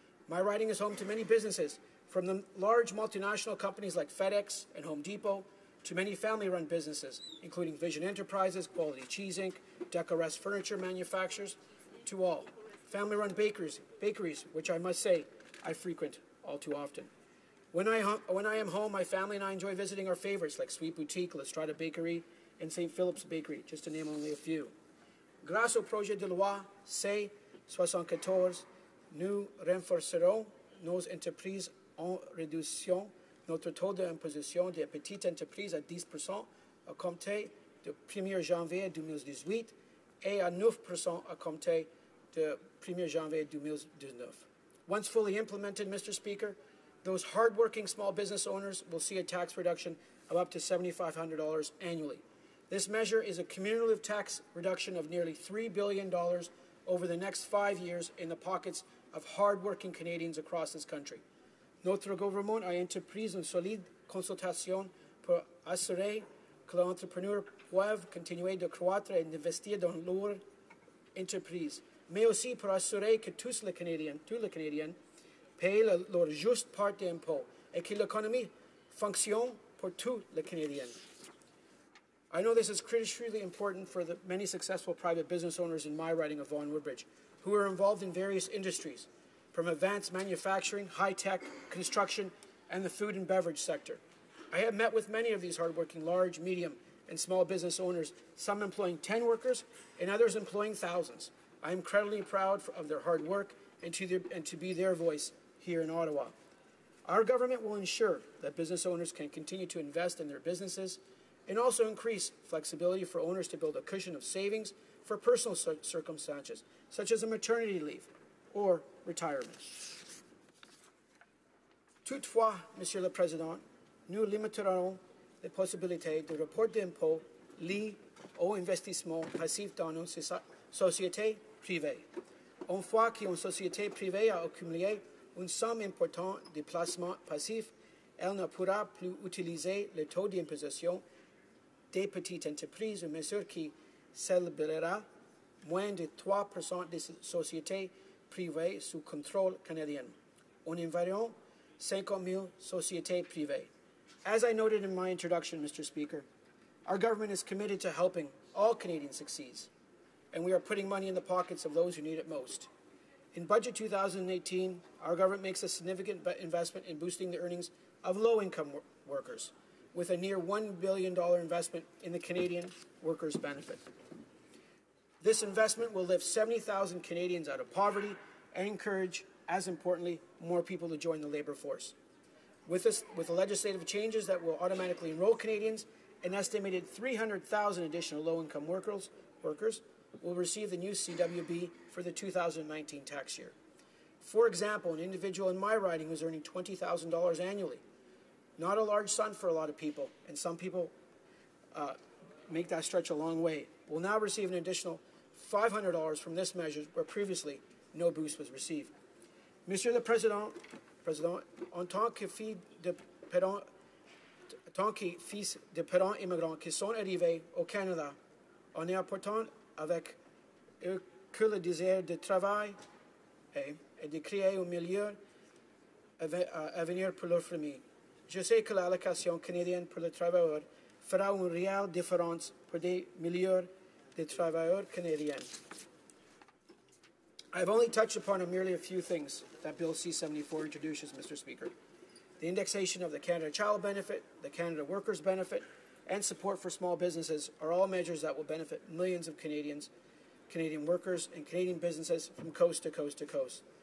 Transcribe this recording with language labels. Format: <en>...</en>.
<en>My riding is home to many businesses, from the large multinational companies like FedEx and Home Depot, to many family-run businesses, including Vision Enterprises, Quality Cheese Inc., Decorest Furniture Manufacturers, to all. Family-run bakeries, which I must say I frequent all too often. When I am home, my family and I enjoy visiting our favorites like Sweet Boutique, La Strada Bakery, and St. Philip's Bakery, just to name only a few.</en> <fr>Grâce au projet de loi C-74, nous renforcerons nos entreprises en réduction notre taux d'imposition des petites entreprises à 10% à compter du 1er janvier 2018 et à 9% à compter du 1er janvier 2019.</fr> <en>Once fully implemented, Mr. Speaker, those hardworking small business owners will see a tax reduction of up to $7,500 annually. This measure is a cumulative tax reduction of nearly $3 billion over the next 5 years in the pockets of hardworking Canadians across this country.</en> <fr>Notre gouvernement a entrepris une solide consultation pour assurer que l'entrepreneur puisse continuer de croître et d'investir dans leur entreprise, mais aussi pour assurer que tous les Canadiens, payent leur juste part d'impôts et que l'économie fonctionne pour tous les Canadiens.</fr> <en>I know this is critically important for the many successful private business owners in my riding of Vaughan-Woodbridge, who are involved in various industries, from advanced manufacturing, high-tech, construction, and the food and beverage sector. I have met with many of these hardworking large, medium, and small business owners, some employing 10 workers and others employing thousands. I am incredibly proud of their hard work and to be their voice here in Ottawa. Our government will ensure that business owners can continue to invest in their businesses and also increase flexibility for owners to build a cushion of savings for personal circumstances, such as a maternity leave or retirement.</en> <fr>Toutefois, Monsieur le Président, nous limiterons les possibilités de report d'impôts liés aux investissements passifs dans nos sociétés privées. Une fois qu'une société privée a accumulé une somme importante de placements passifs, elle ne pourra plus utiliser le taux d'imposition des petites entreprises, une mesure qui célébrera moins de 3% des sociétés privées sous contrôle canadien, en environ 50 000 sociétés privées.</fr> <en>As I noted in my introduction, Mr. Speaker, our government is committed to helping all Canadians succeed, and we are putting money in the pockets of those who need it most. In Budget 2018, our government makes a significant investment in boosting the earnings of low-income workers, with a near $1 billion investment in the Canadian workers' benefit. This investment will lift 70,000 Canadians out of poverty and encourage, as importantly, more people to join the labour force. With the legislative changes that will automatically enroll Canadians, an estimated 300,000 additional low-income workers will receive the new CWB for the 2019 tax year. For example, an individual in my riding was earning $20,000 annually. Not a large sum for a lot of people, and some people make that stretch a long way, will now receive an additional $500 from this measure where previously no boost was received.</en> <fr>Monsieur le Président, en tant que fils de parents immigrants qui sont arrivés au Canada en y apportant avec eux que le désir de travail et de créer un meilleur avenir pour leur famille. Je sais que l'allocation canadienne pour les travailleurs fera une réelle différence pour des milliers de travailleurs canadiens.</fr> <en>I've only touched upon merely a few things that Bill C-74 introduces, Mr. Speaker. The indexation of the Canada Child Benefit, the Canada Workers' Benefit, and support for small businesses are all measures that will benefit millions of Canadians, Canadian workers, and Canadian businesses from coast to coast to coast.</en>